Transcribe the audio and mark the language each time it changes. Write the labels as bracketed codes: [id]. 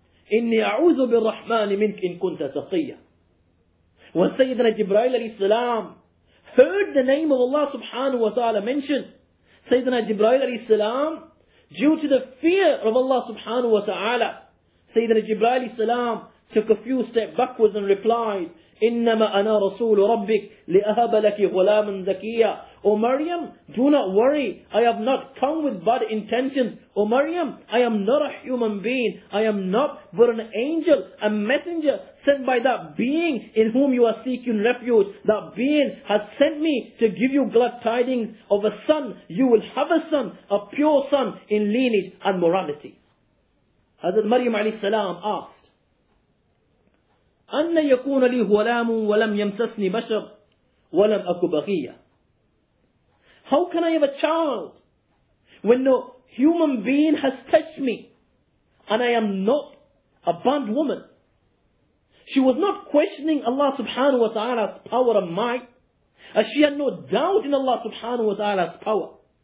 [ar] Inni a'uzu bil-Rahmani mink in kunta taqiyya. [en] When Sayyidina Jibreel alayhi salam heard the name of Allah subhanahu wa ta'ala mentioned, Sayyidina Jibreel alayhi salam, due to the fear of Allah subhanahu wa ta'ala, Sayyidina Jibreel alayhi salam took a few steps backwards and replied, [ar] إنما أنا رسول ربك لأهب لك غلاما زكيا. [en] O Maryam, do not worry. I have not come with bad intentions. O Maryam, I am not a human being. I am not but an angel, a messenger sent by that being in whom you are seeking refuge. That being has sent me to give you glad tidings of a son. You will have a son, a pure son in lineage and morality. Hazrat Maryam alayhi salam asked, [ar] أَنَّ يَكُونَ لِي هُوَلَامٌ وَلَمْ يَمْسَسْنِي بَشَرٌ وَلَمْ أَكُ بَغِيَّ. [en] How can I have a child when no human being has touched me and I am not a bond woman? She was not questioning Allah subhanahu wa ta'ala's power and might, as she had no doubt in Allah subhanahu wa ta'ala's power.